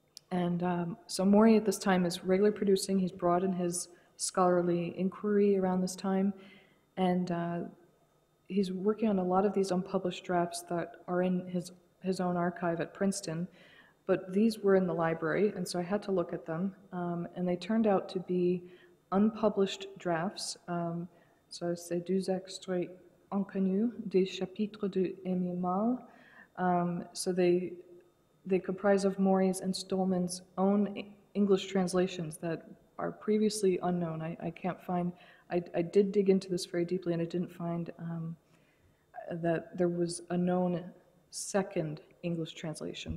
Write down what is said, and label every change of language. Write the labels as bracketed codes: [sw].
[en] And so Morey at this time is regularly producing, he's broadened his scholarly inquiry around this time, and he's working on a lot of these unpublished drafts that are in his own archive at Princeton, but these were in the library, and so I had to look at them, and they turned out to be unpublished drafts. So [fr] c'est deux extraits inconnus des chapitres de Emile Mall. [en] So they comprise of Morey's and Stolman's own English translations that are previously unknown. I did dig into this very deeply, and I didn't find that there was a known second English translation.